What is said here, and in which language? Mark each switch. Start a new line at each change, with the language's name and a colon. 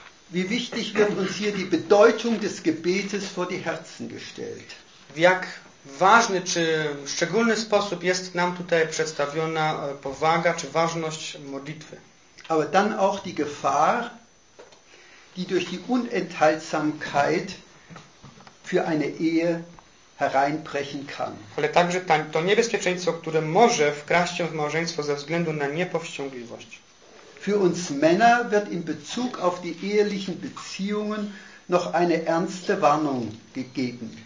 German: Wie wichtig wird uns hier die Bedeutung des Gebetes vor die Herzen gestellt.
Polish: W jak ważny, czy szczególny sposób jest nam tutaj przedstawiona powaga, czy ważność modlitwy.
German: Aber dann auch die Gefahr, die durch die Unenthaltsamkeit für eine Ehe hereinbrechen kann.
Polish: Ale także to niebezpieczeństwo, które może wkraść się w małżeństwo ze względu na niepowściągliwość.
German: Für uns Männer wird in Bezug auf die ehelichen Beziehungen noch eine ernste Warnung gegeben.